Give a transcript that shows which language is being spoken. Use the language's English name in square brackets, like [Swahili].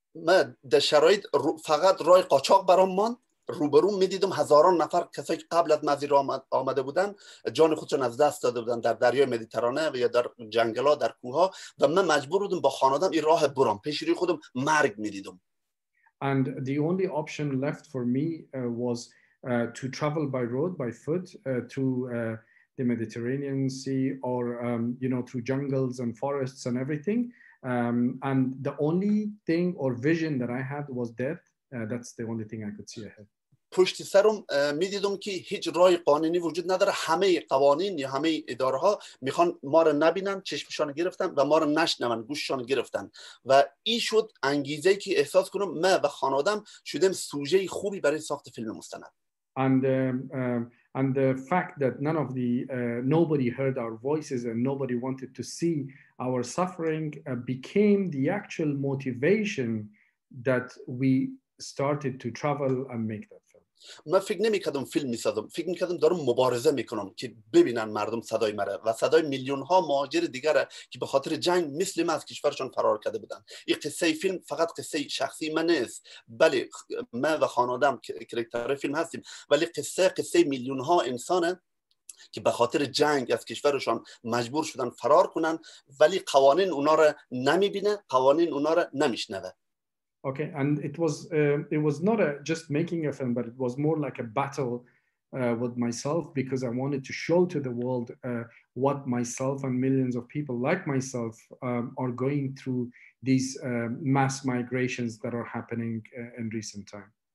[Persian] ma da sharait faqat roy qochoq baram man روبروم می دیدم هزاران نفر کسایی که قبل از مزیر آمده بودن جان خودشون از دست داده بودن در دریای مدیترانه و یا در جنگلا در کوها و من مجبور بودم با خانوادم این راه برام پیش روی خودم مرگ می دیدم [English] and the only option left for me was to travel by road by foot through the Mediterranean Sea or you know through jungles and forests and everything and the only thing or vision that I had was death that's the only thing I could see ahead. [Persian] پشت سرم می دیدم که هیچ راه قانونی وجود نداره همه قوانین یا همه اداره ها میخوان ما رو نبینن چشمشان گرفتن و ما رو نشنون گوششان گرفتن و این شد انگیزه که احساس کنم من و خانوادم شدیم سوژه خوبی برای ساخت فیلم مستند [English] and the fact that none of the nobody heard our voices and nobody wanted to see our suffering became the actual motivation that we started to travel and make that film. [Persian] من فکر نمی‌کردم فیلم می‌سازم. فکر می‌کردم دارم مبارزه می‌کنم که ببینن مردم صدای مرا و صدای میلیون‌ها مهاجر دیگر که به خاطر جنگ مثل من از کشورشان فرار کرده بودند. این قصه فیلم فقط قصه شخصی من نیست. بله من و خانواده‌ام کاراکتر فیلم هستیم ولی قصه میلیون‌ها انسانه که به خاطر جنگ از کشورشان مجبور شدن فرار کنن ولی قوانین اونا رو نمی‌بینه، قوانین اونا رو نمی‌شنوه. [English] Okay, and it was not just making a film, but it was more like a battle with myself, because I wanted to show to the world what myself and millions of people like myself are going through these mass migrations that are happening in recent time.